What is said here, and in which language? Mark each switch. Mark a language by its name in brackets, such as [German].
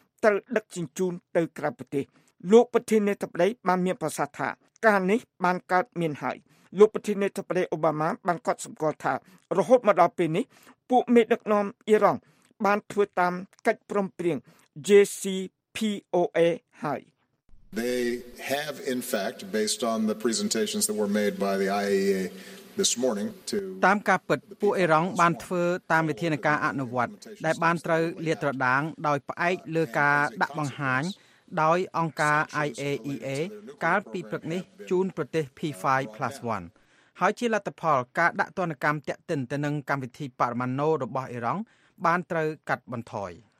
[Khmer] ត្រូវដឹកជញ្ជូនទៅក្រៅប្រទេសលោកប្រធានាធិបតីបានមានប្រសាសន៍ថាការនេះបានកើតមានហើយលោកប្រធានាធិបតីអូបាម៉ាបានកត់សម្គាល់ថារហូតមកដល់ពេលនេះពួកមេដឹកនាំអ៊ីរ៉ង់បានធ្វើតាមកិច្ចព្រមព្រៀង JCPOA ហើយ [English] They have in fact based on the presentations that were made by the IAEA this morning to [Khmer] តាមការពិតពួកអ៊ីរ៉ង់បានធ្វើតាមវិធានការអនុវត្តដែលបានត្រូវលាតត្រដាងដោយផ្អែកលើការដាក់បង្ហាញដោយអង្គការ IAEA កាលពីព្រឹកនេះជូនប្រទេស P5+1 ហើយជាលទ្ធផលការដាក់ទណ្ឌកម្មតាក់ទិនទៅនឹងកម្មវិធីប៉ារ៉ាម៉ាណូរបស់អ៊ីរ៉ង់បានត្រូវកាត់បន្ថយ